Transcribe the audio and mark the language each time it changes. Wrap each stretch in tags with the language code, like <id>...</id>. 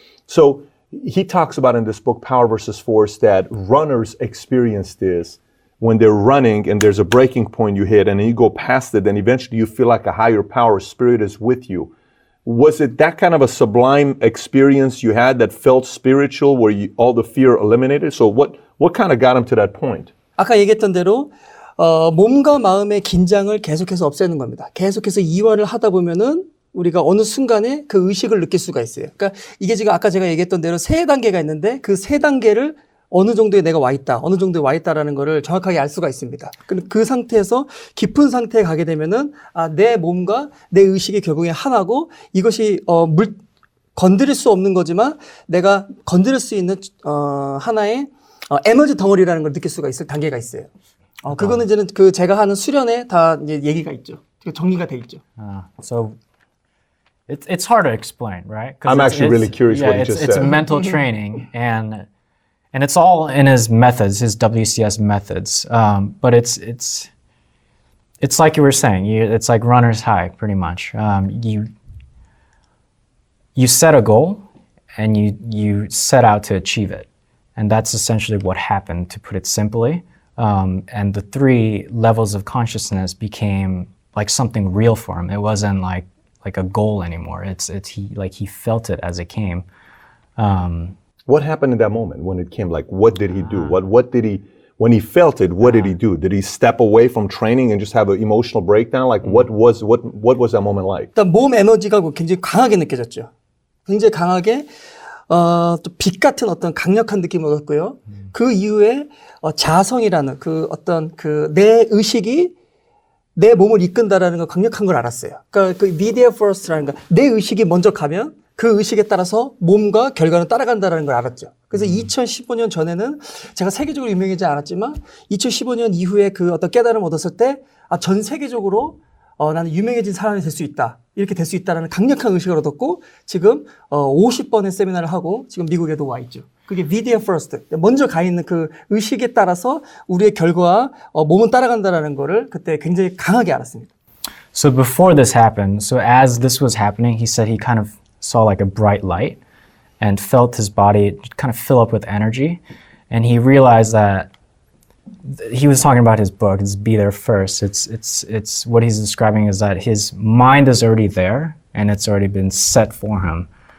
<en>So he talks about in this book, Power versus Force, that runners experience this when they're running and there's a breaking point you hit and then you go past it, then eventually you feel like a higher power spirit is with you. Was it that kind of a sublime experience you had that felt spiritual, where you, all the fear eliminated? So what kind of got him to that point?</en> <ko>아까 얘기했던 대로 몸과 마음의 긴장을 계속해서 없애는 겁니다. 계속해서 이완을 하다 보면은 우리가 어느 순간에 그 의식을 느낄 수가 있어요. 그러니까 이게 지금 아까 제가 얘기했던 대로 세 단계가 있는데 그 세 단계를 어느 정도에 내가 와 있다, 어느 정도에 와 있다라는 것을 정확하게 알 수가 있습니다. 그 상태에서 깊은 상태에 가게 되면은 내 몸과 내 의식이 결국에 하나고 이것이 건드릴 수 없는 거지만 내가 건드릴 수 있는 하나의 에너지 덩어리라는 걸 느낄 수가 있을 단계가 있어요. 그거는 이제는 그 제가 하는 수련에 다 이제 얘기가 있죠. 정리가 돼 있죠.</ko> <en>So it's hard to explain, right? I'm actually really curious what you just said. It's a mental training And it's all in his methods, his WCS methods. But it's like you were saying, it's like runner's high, pretty much. You set a goal, and you set out to achieve it. And that's essentially what happened, to put it simply. And the three levels of consciousness became like something real for him. It wasn't like a goal anymore. He felt it as it came. What happened in that moment when it came? Like, what did he do? What did he, when he felt it, what did he do? Did he step away from training and just have an emotional breakdown? Like, what was that moment like?</en> <ko>일단 몸 에너지가 굉장히 강하게 느껴졌죠. 굉장히 강하게 또 빛 같은 어떤 강력한 느낌을 얻었고요. 그 이후에 자성이라는 그 어떤 그 내 의식이 내 몸을 이끈다라는 걸 강력한 걸 알았어요. 그러니까 그 media first라는 거, 내 의식이 먼저 가면 그 의식에 따라서 몸과 결과는 따라간다는 걸 알았죠. 그래서 2015년 전에는 제가 세계적으로 유명해지지 않았지만 2015년 이후에 그 어떤 깨달음을 얻었을 때 전 세계적으로 나는 유명해진 사람이 될 수 있다. 이렇게 될 수 있다라는 강력한 의식을 얻었고 지금 50번의 세미나를 하고 지금 미국에도 와 있죠.</ko> <en>그게 video first.</en> <ko>먼저 가 있는 그 의식에 따라서 우리의 결과와 몸은 따라간다라는 거를 그때 굉장히 강하게 알았습니다.</ko> <en>So before this happened, so as this was happening, he said he kind of saw like a bright light and felt his body kind of fill up with energy. And he realized that he was talking about his book, it's Be There First. It's what he's describing is that his mind is already there and it's already been set for him.</en>